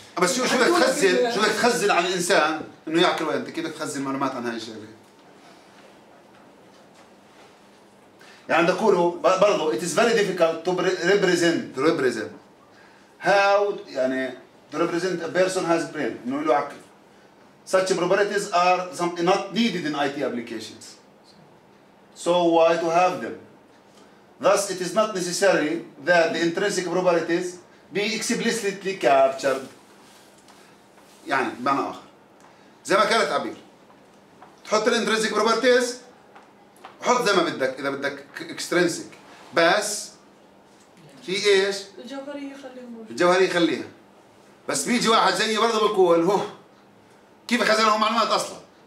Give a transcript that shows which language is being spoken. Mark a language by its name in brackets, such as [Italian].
[Arabic] بس شو بدك تخزن؟ شو بدك تخزن عن الإنسان إنه يعقل وينطق؟ كيف بدك تخزن معلومات عن هاي الشغلة؟ يعني بدي أقوله برضه [English] it is very difficult to represent how [Arabic] يعني [English] to represent a person has brain [Arabic] إنه له عقل. [English] Such properties are some not needed in IT applications. So why to have them? Thus, it is not necessary that the intrinsic properties be explicitly captured. [Arabic] يعني بمعنى آخر زي ما قالت عبير تحط الانترنسيك بروبرتيز وحط زي ما بدك إذا بدك extrinsic، بس في إيش؟ الجوهرية خليهم الجوهرية خليها، بس بيجي واحد زيي برضه بقول هو كيف خزنهم معلومات أصلاً؟